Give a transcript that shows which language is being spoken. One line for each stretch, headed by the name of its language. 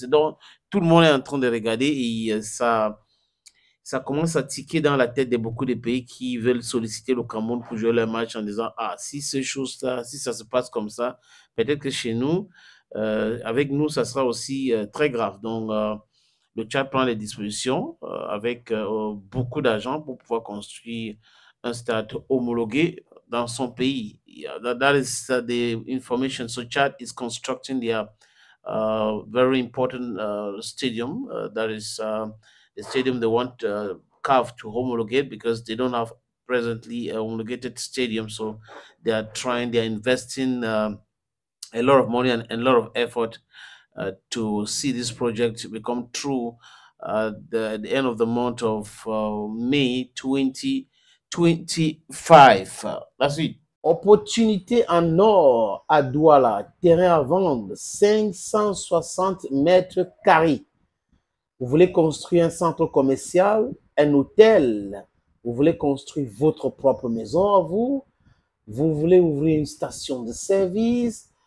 French: Donc, tout le monde est en train de regarder et ça commence à tiquer dans la tête de beaucoup de pays qui veulent solliciter le Cameroun pour jouer leur match en disant, ah, si ces choses-là, si ça se passe comme ça, peut-être que chez nous, avec nous, ça sera aussi très grave. Donc, le Tchad prend les dispositions avec beaucoup d'argent pour pouvoir construire un stade homologué dans son pays.
English: That is the information. So Tchad is constructing their very important stadium. That is the stadium they want CAF to homologate because they don't have presently a homologated stadium. So they are trying. They are investing a lot of money and a lot of effort to see this project become true the end of the month of May 2025.
French: La suite. Opportunité en or à Douala, terrain à vendre, 560 mètres carrés. Vous voulez construire un centre commercial, un hôtel, vous voulez construire votre propre maison à vous, vous voulez ouvrir une station de service.